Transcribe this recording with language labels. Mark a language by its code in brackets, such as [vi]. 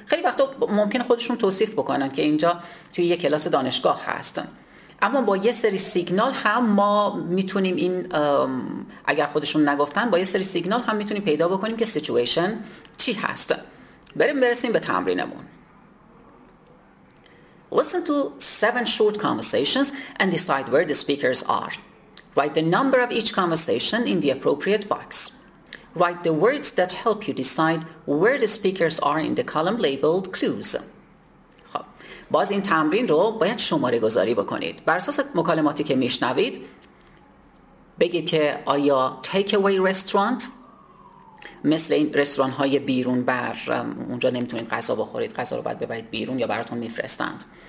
[fa] خیلی وقتا ممکن خودشون توصیف بکنن که اینجا توی یه کلاس دانشگاه هستن، اما با یه سری سیگنال هم ما میتونیم این، اگر خودشون نگفتن، با یه سری سیگنال هم میتونیم پیدا بکنیم که سیچویشن چی هست. بریم برسیم به تمرینمون. [en] Listen to 7 short conversations and decide where the speakers are. Write the number of each conversation in the appropriate box. Write the words that help you decide where the speakers are in the column labeled clues. [fa] خب، باز این تمرین رو باید شماره گذاری بکنید. بر اساس مکالماتی که میشنوید بگید که آیا [en] take away restaurant، [fa] مثل این رستوران های بیرون، بر اونجا نمیتونید غذا بخورید، غذا رو باید ببرید بیرون یا براتون میفرستند.